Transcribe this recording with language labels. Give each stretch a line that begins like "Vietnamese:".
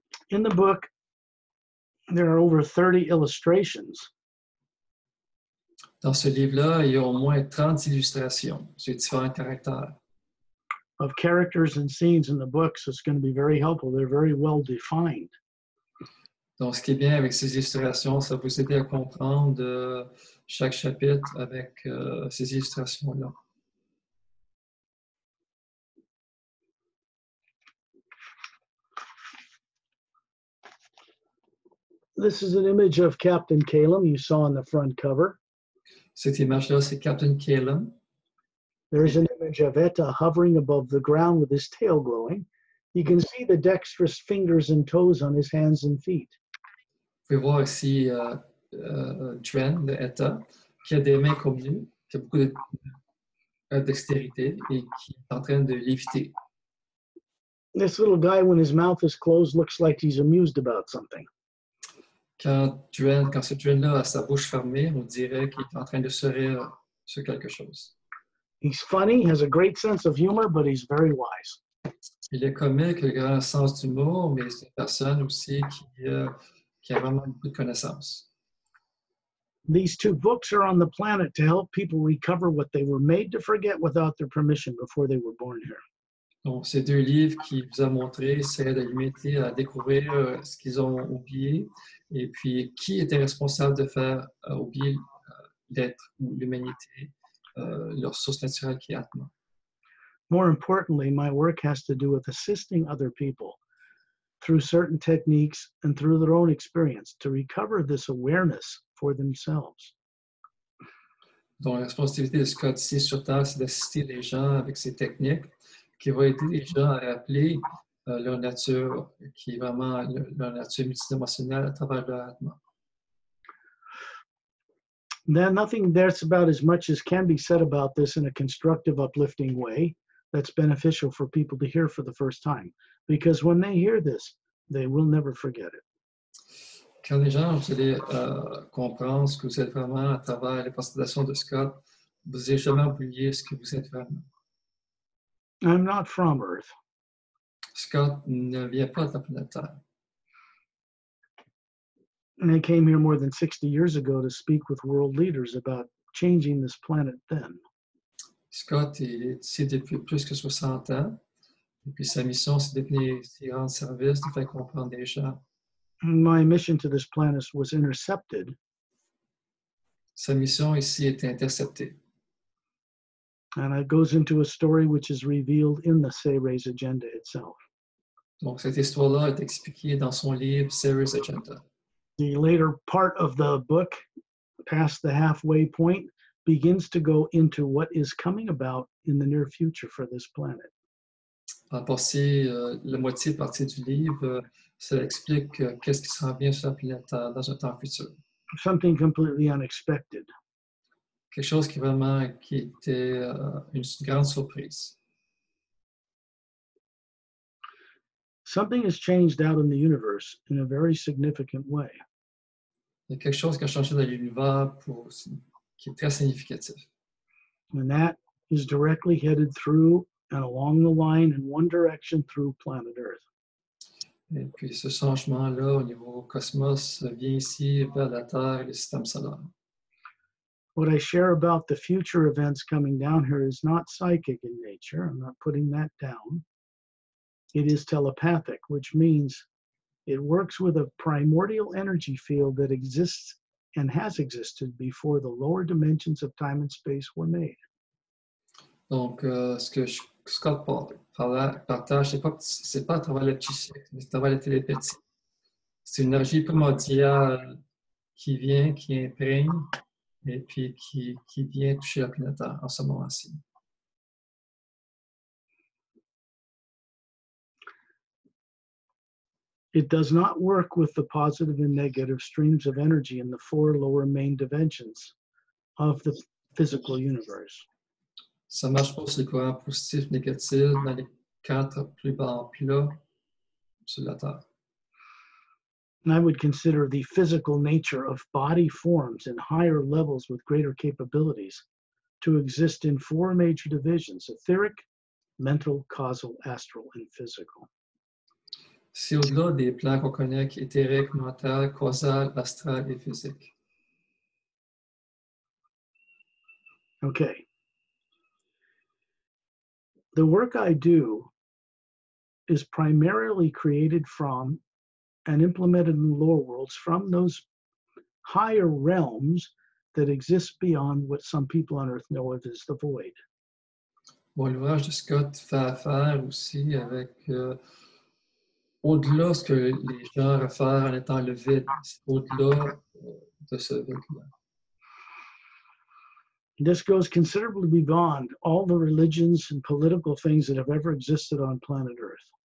English: In the book, there are over 30 illustrations.
French: Dans ce livre-là, il y a au moins 30 illustrations sur différents caractères.
English: Of characters and scenes in the book, so it's going to be very helpful. They're very well defined.
French: Donc, ce qui est bien avec ces illustrations, ça vous aide à comprendre chaque chapitre avec ces illustrations-là.
English: This is an image of Captain Kalem you saw on the front cover.
French: Cette image-là, c'est Captain Kalem.
English: There is an image of Eta hovering above the ground with his tail glowing. You can see the dexterous fingers and toes on his hands and feet.
French: Vous pouvez voir ici Dren de Eta, qui a des mains comme lui, qui a beaucoup de dextérité et qui est en train de léviter.
English: This little guy, when his mouth is closed, looks like he's amused about something.
French: Quand ce Dren-là a sa bouche fermée, on dirait qu'il est en train de se rire sur quelque chose.
English: He's funny, has a great sense of humor, but he's very wise.
French: Il est comique, il a un grand sens d'humour, mais c'est une personne aussi qui a vraiment beaucoup de connaissances.
English: These two books are on the planet to help people recover what they were made to forget without their permission before they were born here.
French: Donc, ces deux livres qui vous a montré, c'est de l'humanité à découvrir ce qu'ils ont oublié et puis qui était responsable de faire oublier l'être ou l'humanité, leur source naturelle qui est Atma.
English: More importantly, my work has to do with assisting other people through certain techniques and through their own experience to recover this awareness for themselves.
French: Donc, la responsabilité de Scott ici sur Terre, c'est d'assister les gens avec ces techniques qui vont aider les gens à rappeler leur nature, qui est vraiment leur nature multidimensionnelle à travers leur Atma.
English: There's nothing there's about as much as can be said about this in a constructive, uplifting way that's beneficial for people to hear for the first time. Because when they hear this, they will never forget it.
French: Quand les gens, vous allez comprendre ce que vous êtes vraiment à travers les présentations de Scott, vous n'allez jamais oublier ce que vous êtes vraiment.
English: I'm not from Earth.
French: Scott ne vient pas de la planète Terre.
English: And I came here more than 60 years ago to speak with world leaders about changing this planet then.
French: Scott est ici depuis plus que 60 ans. Et puis sa mission, c'est de venir ici rendre service, de faire comprendre les gens.
English: My mission to this planet was intercepted.
French: Sa mission ici est interceptée.
English: And it goes into a story which is revealed in the Say Raise agenda itself.
French: Donc, cette histoire-là est expliquée dans son livre Serious Agenda.
English: The later part of the book, past the halfway point, begins to go into what is coming about in the near future for this planet.
French: À passer la moitié partie du livre, ça explique qu'est-ce qui s'en vient sur la planète dans un temps futur.
English: Something completely unexpected.
French: Quelque chose qui vraiment qui était une grande surprise.
English: Something has changed out in the universe in a very significant way.
French: Il y a quelque chose qui a changé dans l'univers pour, qui est très significatif.
English: And that is directly headed through and along the line in one direction through planet Earth.
French: Et puis ce changement-là au niveau cosmos vient ici vers la Terre et le système solaire.
English: What I share about the future events coming down here is not psychic in nature. I'm not putting that down. It is telepathic, which means it works with a primordial energy field that exists and has existed before the lower dimensions of time and space were made.
French: Donc, ce que Scott partage, c'est pas à travers le psychique, mais à travers la télépathie. C'est une énergie primordiale qui vient, qui imprègne, et puis qui vient toucher la planète en ce moment-ci.
English: It does not work with the positive and negative streams of energy in the four lower main dimensions of the physical universe.
French: Ça marche pas sur les courants positifs, négatifs dans les quatre plus bas plans sur la Terre.
English: I would consider the physical nature of body forms in higher levels with greater capabilities to exist in four major divisions: etheric, mental, causal, astral, and physical.
French: C'est au-delà des plans qu'on connaît, éthérique, mental, causal, astral et physique.
English: Okay. The work I do is primarily created from and implemented in the lower worlds from those higher realms that exist beyond what some people on Earth know of as the void.
French: Bon, l'ouvrage de Scott fait affaire aussi avec au-delà ce que les gens réfèrent en étant le vide, au-delà de ce vide-là.
English: This goes considerably beyond all the religions and political things that have ever existed on planet Earth.